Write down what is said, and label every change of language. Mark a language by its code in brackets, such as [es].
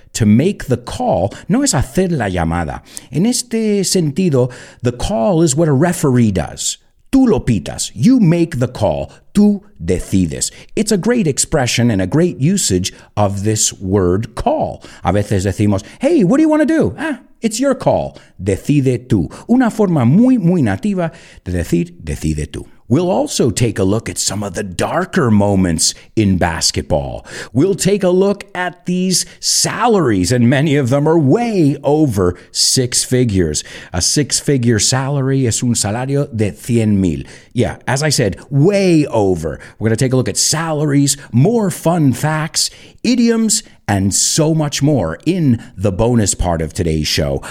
[en] To make the call, [es] no es hacer la llamada. En este sentido, [en] the call is what a referee does. [es] Tú lo pitas. [en] You make the call. [es] Tú decides. [en] It's a great expression and a great usage of this word call. [es] A veces decimos, [en] hey, what do you want to do? It's your call. [es] Decide tú. Una forma muy, muy nativa de decir decide tú. [en] We'll also take a look at some of the darker moments in basketball. We'll take a look at these salaries, and many of them are way over six figures. A six-figure salary [es] es un salario de 100,000. [en] Yeah, as I said, way over. We're going to take a look at salaries, more fun facts, idioms, and so much more in the bonus part of today's show.